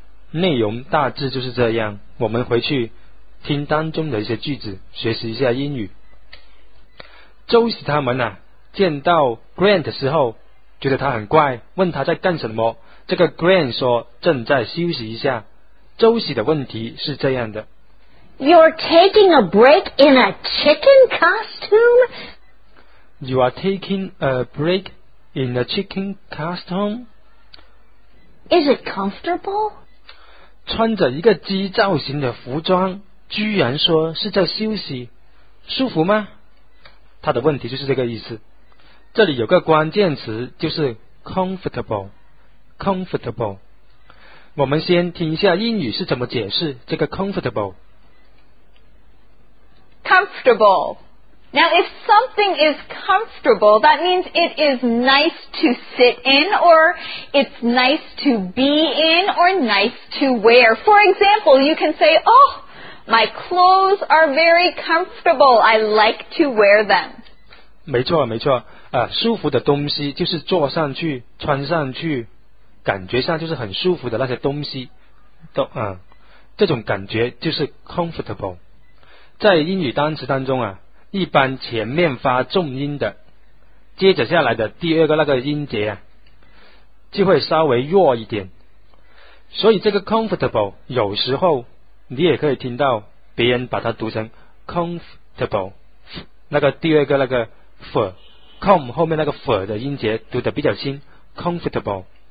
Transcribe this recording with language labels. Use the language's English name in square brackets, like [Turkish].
[Chinese] 内容大致就是这样，我们回去听当中的一些句子，学习一下英语。周喜他们见到 Grant 的时候，觉得他很怪，问他在干什么。这个 Grant 说正在休息一下。周喜的问题是这样的， [English] You're taking a break in a chicken costume? You are taking a break in a chicken costume? Is it comfortable? [Chinese] 穿着一个鸡造型的服装居然说是在休息，舒服吗？他的问题就是这个意思。这里有个关键词，就是 comfortable。 [English] Comfortable. [Chinese] 我们先听一下英语是怎么解释这个 comfortable. [English] Comfortable. Now if something is comfortable, that means it is nice to sit in, or it's nice to be in, or nice to wear. For example, you can say, oh, My clothes are very comfortable. I like to wear them. [Chinese] 没错没错、啊、舒服的东西就是坐上去穿上去感觉上就是很舒服的那些东西都、啊、这种感觉就是 comfortable。在英语单词当中啊，一般前面发重音的接着下来的第二个那个音节啊，就会稍微弱一点，所以这个 comfortable 有时候你也可以听到别人把它读成 comfortable， 那个第二个那个 for com 后面那个 for 的音节读得比较轻 comfortable。